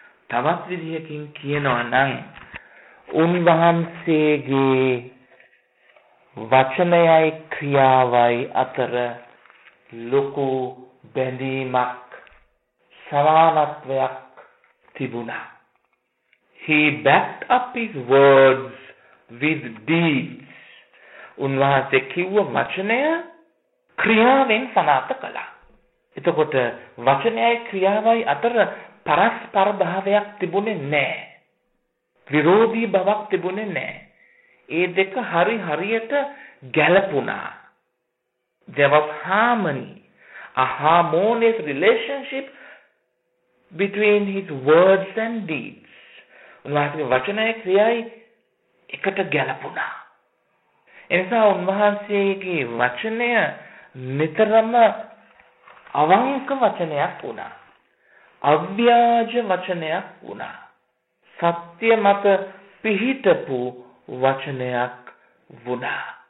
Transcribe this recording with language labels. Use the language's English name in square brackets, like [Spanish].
[Sinhala] තවත් විදිහකින් කියනවා නම් උන්වහන්සේගේ වචනයයි ක්‍රියාවයි අතර ලොකු බැඳීමක් සමානත්වයක් තිබුණා. [English] He backed up his words with deeds. [Sinhala] උන්වහන්සේ කිව්ව වචනය ක්‍රියාවෙන් සනාථ කළා. එතකොට වචනයයි ක්‍රියාවයි අතර පරස්පර භාවයක් තිබුණේ නැහැ. විරෝධී බවක් තිබුණේ නැහැ. ඒ දෙක හරි හරියට ගැළපුණා. [English] There was harmony, a harmonious relationship between his words and deeds. [Sinhala] උන්වහන්සේ වචනයයි ක්‍රියාවයි එකට ගැළපුණා. එනිසා උන්වහන්සේගේ වචනය නිතරම අවංක වචනයක් වුණා. අව්‍යාජ වචනයක් වුණා. සත්‍ය මත පිහිටපු වචනයක් වුණා.